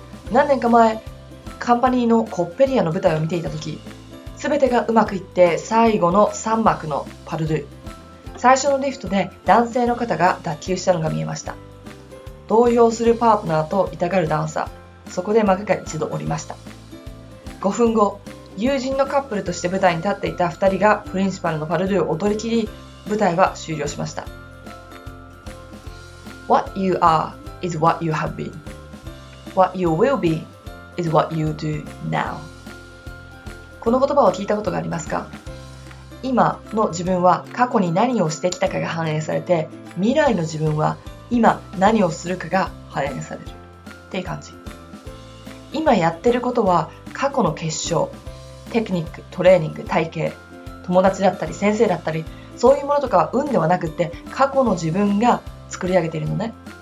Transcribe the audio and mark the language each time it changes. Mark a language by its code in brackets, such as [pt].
[ja] 何年か前、カンパニーのコッペリアの舞台を見ていた時、全てがうまくいって最後の3幕のパルドゥ、最初のリフトで男性の方が脱臼したのが見えました。動揺するパートナーと痛がるダンサー、そこで幕が一度降りました。 5分後、友人のカップルとして舞台に立っていた2人がプリンシパルのパルドゥを踊り切り、舞台は終了しました。 [en] What you are is what you have been. What you will be is what you do now. [ja] この言葉を聞いたことがありますか？今の自分は過去に何をしてきたかが反映されて、未来の自分は今何をするかが反映されるっていう感じ。今やってることは過去の結晶、テクニック、トレーニング、体型、友達だったり先生だったり、そういうものとかは運ではなくって過去の自分が作り上げているのね。